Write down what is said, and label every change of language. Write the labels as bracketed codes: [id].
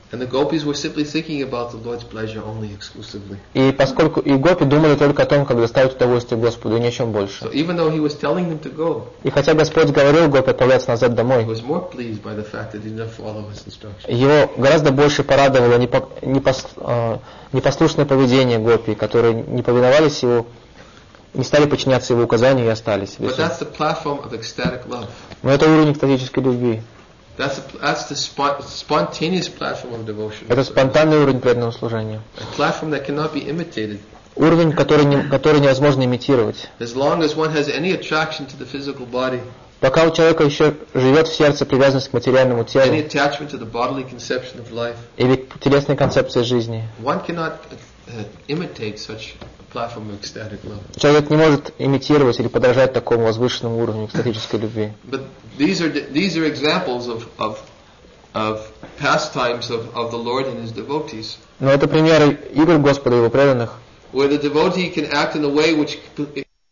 [en] And the gopis were simply thinking about the Lord's pleasure only exclusively. [ru] И поскольку и гопи думали только о том, как доставить удовольствие Господу, и ни о чем больше. [en] So even though he was telling them to go. [ru] И хотя Господь говорил гопи отправляться назад домой. [en] He was more pleased by the fact that he didn't follow his instructions. [ru] Его гораздо больше порадовало непослушное поведение гопи, которые не повиновались его. Не стали подчиняться его указаниям и остались. [en] But that's the platform of ecstatic love. [ru] Но это уровень экстатической любви. [en] That's the spontaneous platform of devotion. [ru] Это спонтанный уровень преданного служения. [en] A platform that cannot be imitated. [ru] Уровень, который невозможно имитировать. [en] As long as one has any attraction to the physical body. [ru] Пока у человека еще живет в сердце привязанность к материальному телу. [en] Any attachment to the bodily conception of life. [ru] Или к телесной концепции жизни. [en] One cannot imitate such platform of ecstatic love. [ru] Человек не может имитировать или подражать такому возвышенному уровню экстатической любви. [en] But these are examples of pastimes of the Lord and his devotees. [ru] Но это примеры игр Господа и его преданных. [en] Where the devotee can act in a way which